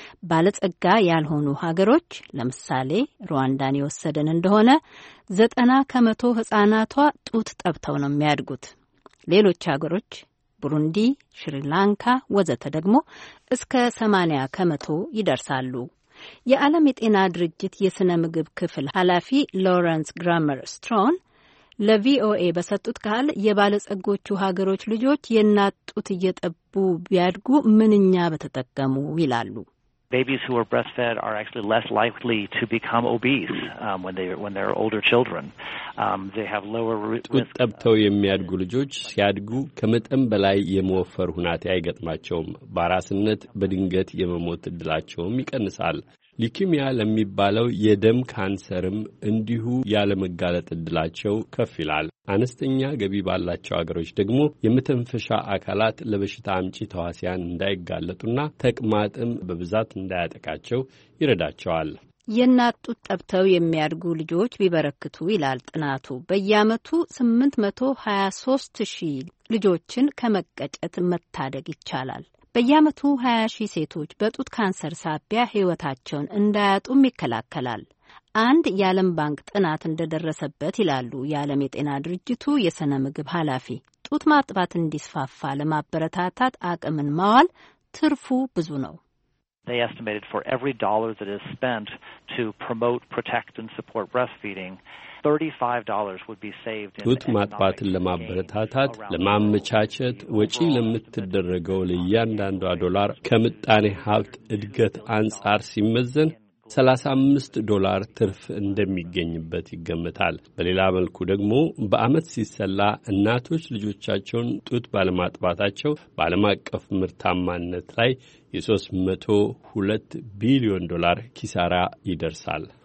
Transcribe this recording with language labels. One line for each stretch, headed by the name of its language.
Amharic: ባለጸጋ ያልሆኑ ሀገሮች ለምሳሌ ሩዋንዳን የወሰደን እንደሆነ 90 ከመቶ ሕፃናቷ ጡት ጠብተው ነው የሚያድጉት። ሌሎች ሀገሮች ቡሩንዲ፣ ሽሪላንካ ወዘተ ደግሞ እስከ 80 ከመቶ ይደርሳሉ። የዓለም የጤና ድርጅት የሥነ ምግብ ክፍል ኃላፊ ሎረንስ ግራመር ስትሮን ለቪኦኤ በሰጡት ቃል የባለጸጎቹ ሀገሮች ልጆች የእናት ጡት እየጠቡ ቢያድጉ ምንኛ በተጠቀሙ ይላሉ።
English: Babies who are breastfed are actually less likely to become obese when they're older children. They have lower risk.
Amharic: ጡት ጠብተው የሚያድጉ ልጆች ሲያድጉ ከመጠን በላይ የመወፈር ሁኔታ አይገጥማቸውም። በአራስነት በድንገት የመሞት እድላቸውም ይቀንሳል። ሊኪሚያ ለሚባለው የደም ካንሰርም እንዲሁ ያለመጋለጥ እድላቸው ከፍ ይላል። አነስተኛ ገቢ ባላቸው አገሮች ደግሞ የመተንፈሻ አካላት ለበሽታ አምጪ ተዋሲያን እንዳይጋለጡና ተቅማጥም በብዛት እንዳያጠቃቸው ይረዳቸዋል። የእናት ጡት ጠብተው የሚያድጉ ልጆች ቢበረክቱ ይላል ጥናቱ፣ በየዓመቱ 823,000 ልጆችን ከመቀጨት መታደግ ይቻላል። በየዓመቱ 20,000 ሴቶች በጡት ካንሰር ሳቢያ ሕይወታቸውን እንዳያጡም ይከላከላል። አንድ የዓለም ባንክ ጥናት እንደደረሰበት ይላሉ የዓለም የጤና ድርጅቱ የሥነ ምግብ ኃላፊ፣ ጡት ማጥባት እንዲስፋፋ ለማበረታታት አቅምን ማዋል ትርፉ ብዙ ነው።
English: They estimated for every dollar that is spent to promote, protect, and support breastfeeding, $35 would be saved in economic gains.
Amharic: ጡት ማጥባትን ለማበረታታት ለማመቻቸት ወጪ ለምትደረገው ለእያንዳንዷ ዶላር ከምጣኔ ሀብት እድገት አንጻር ሲመዘን $35 ትርፍ እንደሚገኝበት ይገመታል። በሌላ መልኩ ደግሞ በዓመት ሲሰላ እናቶች ልጆቻቸውን ጡት ባለማጥባታቸው በዓለም አቀፍ ምርታማነት ላይ $302 ቢሊዮን ኪሳራ ይደርሳል።